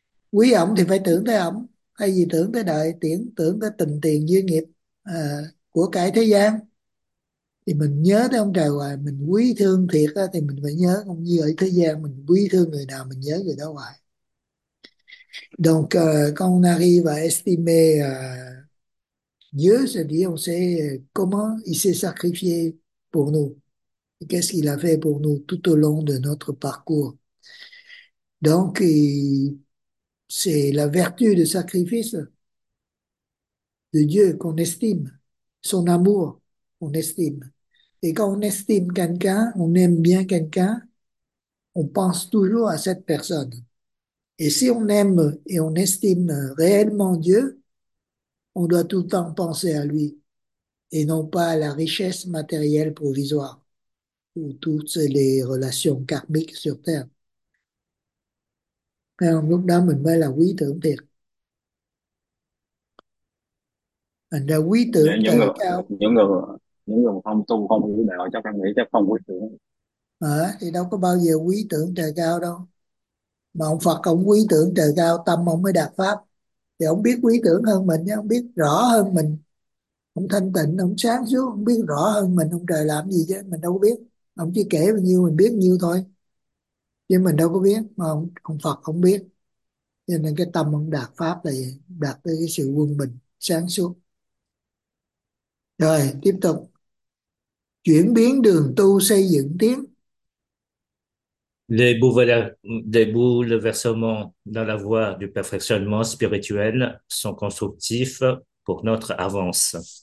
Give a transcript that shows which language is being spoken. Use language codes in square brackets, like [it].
[vi] Quý ông thì phải tưởng tới ông, thay vì tưởng tới đời tiễn, tưởng tới tình tiền duyên nghiệp của cải thế gian, thì mình nhớ tới ông trời hoài, mình quý thương thiệt á, thì mình phải nhớ cũng như ở thế gian mình quý thương người nào mình nhớ người đó hoài. [fr] Donc quand on arrive à estimer Dieu, c'est-à-dire on sait comment il s'est sacrifié pour nous, qu'est-ce qu'il a fait pour nous tout au long de notre parcours. Donc c'est la vertu de sacrifice de Dieu qu'on estime, son amour qu'on estime. Et quand on estime quelqu'un, on aime bien quelqu'un, on pense toujours à cette personne. Et si on aime et on estime réellement Dieu, on doit tout le temps penser à lui et non pas à la richesse matérielle provisoire ou toutes les relations karmiques sur Terre. [vi] Alors, lúc đó mình mới là quý tưởng thiệt. Anh đã quý tưởng những trời người cao. không tu không hiểu đạo chắc em nghĩ chắc không quý tưởng Thì đâu có bao giờ quý tưởng trời cao đâu. Mà ông Phật ông quý tưởng trời cao, tâm ông mới đạt pháp. Thì ông biết quý tưởng hơn mình, ông biết rõ hơn mình. Ông thanh tịnh, ông sáng suốt, ông biết rõ hơn mình, ông trời làm gì chứ, mình đâu có biết. Ông chỉ kể bao nhiêu mình biết nhiêu thôi. Chứ mình đâu có biết, mà ông Phật không biết. Cho nên cái tâm ông đạt pháp là gì? Đạt tới cái sự quân bình, sáng suốt. Rồi, tiếp tục. Chuyển biến đường tu xây dựng tiến. [fr] Les bouleversements dans la voie du perfectionnement spirituel sont constructifs pour notre avance.